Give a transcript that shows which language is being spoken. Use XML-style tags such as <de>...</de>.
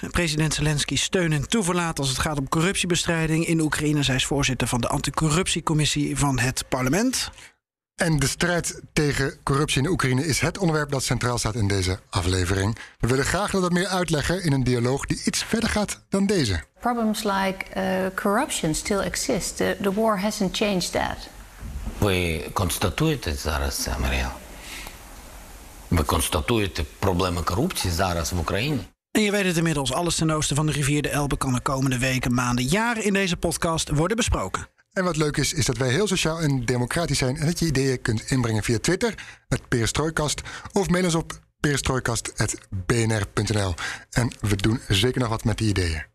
<nl>President Zelensky steun en toeverlaat als het gaat om corruptiebestrijding in Oekraïne. Zij is voorzitter van de anticorruptiecommissie van het parlement. En de strijd tegen corruptie in Oekraïne is het onderwerp dat centraal staat in deze aflevering. We willen graag dat we meer uitleggen in een dialoog die iets verder gaat dan deze.</nl> <en>Problems like corruption still exist. The war hasn't changed that.</en> <uk>Ви констатуєте зараз це, Маріал? Ви констатуєте проблеми корупції зараз в Україні?</uk> <nl>En je weet het inmiddels, alles ten oosten van de rivier de Elbe kan de komende weken, maanden, jaren in deze podcast worden besproken. En wat leuk is, is dat wij heel sociaal en democratisch zijn en dat je ideeën kunt inbrengen via Twitter, het Perestrojkast, of mail ons op perestrojkast@bnr.nl. En we doen zeker nog wat met die ideeën.</nl>